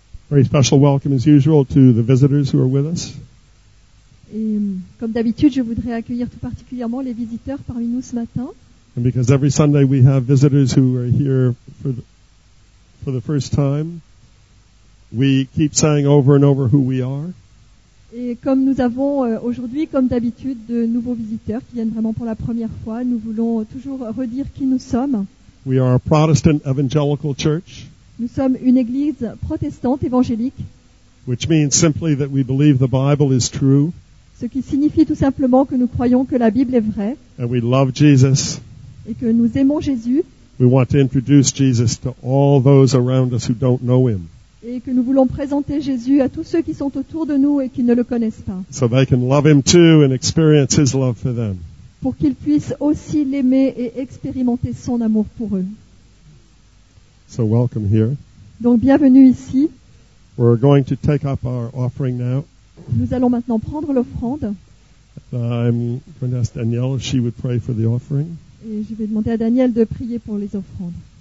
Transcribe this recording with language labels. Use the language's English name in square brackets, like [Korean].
[English] Very special welcome as usual to the visitors who are with us. [French] Et comme d'habitude, je voudrais accueillir tout particulièrement les visiteurs parmi nous ce matin. [English] And because every Sunday we have visitors who are here for the first time, we keep saying over and over who we are. [French] Et comme nous avons aujourd'hui, comme d'habitude, de nouveaux visiteurs qui viennent vraiment pour la première fois, nous voulons toujours redire qui nous sommes. [English] We are a Protestant Evangelical Church. [French] Nous sommes une église protestante évangélique. [English] Which means simply that we believe the Bible is true. [French] Ce qui signifie tout simplement que nous croyons que la Bible est vraie. [English] And we love Jesus. [French] Et que nous aimons Jésus. [English] We want to introduce Jesus to all those around us who don't know him. [French] Et que nous voulons présenter Jésus à tous ceux qui sont autour de nous et qui ne le connaissent pas. [English] So they can love him too and experience his love for them. [French] Pour qu'ils puissent aussi l'aimer et expérimenter son amour pour eux. [English] So welcome here. [French] Donc bienvenue ici. [English] We're going to take up our offering now. [French] Nous allons maintenant prendre l'offrande. [English] I'm going to ask Danielle if she would pray for the offering. [French] Et je vais demander à Danielle de prier pour les offrandes.